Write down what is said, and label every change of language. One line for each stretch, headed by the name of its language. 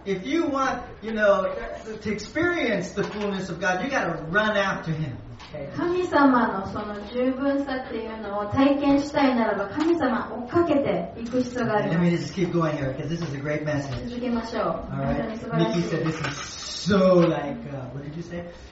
English: If you want, you know, to experience the fullness of God, you got to run after Him.
Japanese: 神様のその十分さっていうのを体験したいならば、神様追っかけていく必要があります。
English: Let me just keep going here because this is a great message.
Japanese: 続けましょう。
English: All right. Mickey said this is so like, what did you say?